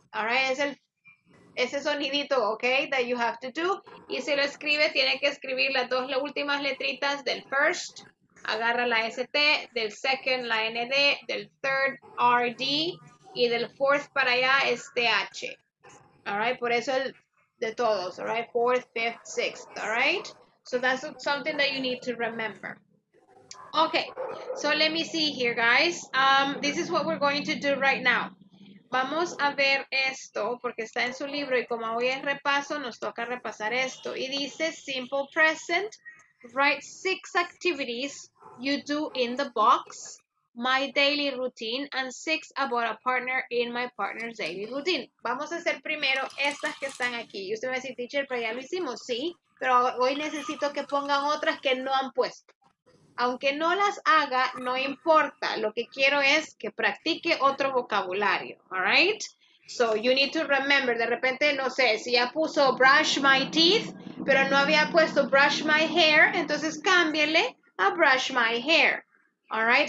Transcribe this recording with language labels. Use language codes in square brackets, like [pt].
[en] All right, [es] es el ese sonidito, [en] ok, that you have to do. [es] Y si lo escribe, tiene que escribir las dos últimas letritas del first, agarra la ST, del second, la ND, del third, RD, y del fourth para allá es TH. [en] All right, [es] por eso el de todos, [en] all right, fourth, fifth, sixth, all right? So that's something that you need to remember. Ok, so let me see here, guys. This is what we're going to do right now. [es] Vamos a ver esto porque está en su libro y como hoy es repaso, nos toca repasar esto. Y dice, [en] simple present, write 6 activities you do in the box, my daily routine, and 6 about a partner in my partner's daily routine. [es] Vamos a hacer primero estas que están aquí. Y usted me dice, teacher, pero ya lo hicimos. Sí, pero hoy necesito que pongan otras que no han puesto. Aunque no las haga, no importa. Lo que quiero es que practique otro vocabulario, all right? [en] So you need to remember, [es] de repente, no sé, si ya puso brush my teeth, pero no había puesto brush my hair, entonces cámbiele a brush my hair, all right?